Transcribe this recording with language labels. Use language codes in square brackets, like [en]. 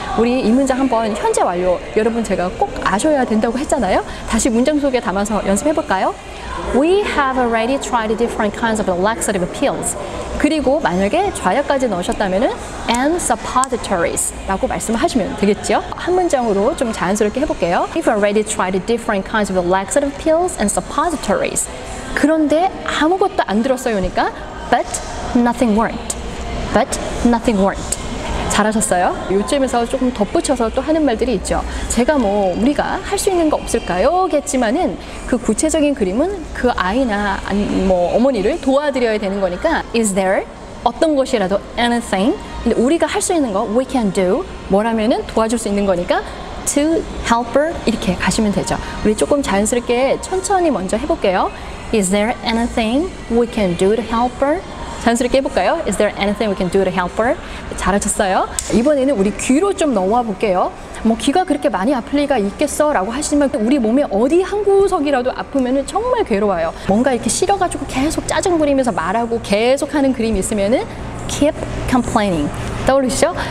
[ko] 우리 이 문장 한번 현재 완료 여러분 제가 꼭 아셔야 된다고 했잖아요. 다시 문장 속에 담아서 연습해 볼까요? [en] We have already tried different kinds of laxative pills. [ko] 그리고 만약에 좌약까지 넣으셨다면은 [en] and suppositories [ko] 라고 말씀을 하시면 되겠죠. 한 문장으로 좀 자연스럽게 해볼게요. [en] We've already tried different kinds of laxative pills and suppositories. [ko] 그런데 아무것도 안 들었어요니까 [en] but nothing worked. But nothing worked. [ko] 잘하셨어요? 요즘에서 조금 덧붙여서 또 하는 말들이 있죠. 제가 뭐 우리가 할 수 있는 거 없을까요? 겠지만은 그 구체적인 그림은 그 아이나 뭐 어머니를 도와드려야 되는 거니까 [en] Is there [ko] 어떤 것이라도 anything? 근데 우리가 할 수 있는 거 [en] We can do [ko] 뭐라면은 도와줄 수 있는 거니까 [en] To help her [ko] 이렇게 가시면 되죠. 우리 조금 자연스럽게 천천히 먼저 해볼게요. [en] Is there anything we can do to help her? [ko] 자연스럽게 해볼까요? [en] Is there anything we can do to help her? [ko] 잘하셨어요. 이번에는 우리 귀로 좀 넘어와 볼게요. 뭐 귀가 그렇게 많이 아플 리가 있겠어? 라고 하시면 우리 몸에 어디 한 구석이라도 아프면 정말 괴로워요. 뭔가 이렇게 싫어가지고 계속 짜증 부리면서 말하고 계속 하는 그림이 있으면 [en] keep complaining. [ko] 떠오르시죠?